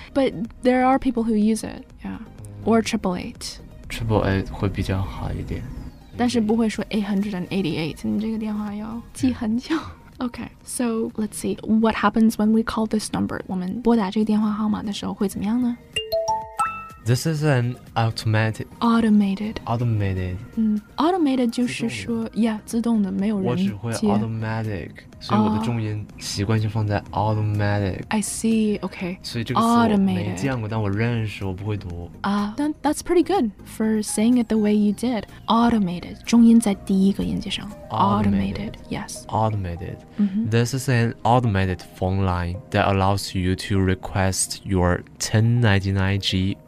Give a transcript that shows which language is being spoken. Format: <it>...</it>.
<en>But there are people who use it, yeah. Or 888.</en> <zh>888会比较好一点。但是不会说 888, 你这个电话要记很久。</zh> <en>OK, so let's see what happens when we call this number.</en> <zh>我们拨打这个电话号码的时候会怎么样呢？</zh> <en>This is an automated. Automated. Automated.</en> <zh>Automated 就是说 yeah, 自动的没有人接。我只会 automatic, 所以我的重音习惯性放在 automatic.</zh> <en>I see, okay.</en> <zh>所以这个词我没见过但我认识我不会读。</zh> <en>That's pretty good for saying it the way you did.</en> <zh>Automated, 重音在第一个音节上。</zh> <en>Automated, yes. Automated.、Mm-hmm. This is an automated phone line that allows you to request your 1099G.</en>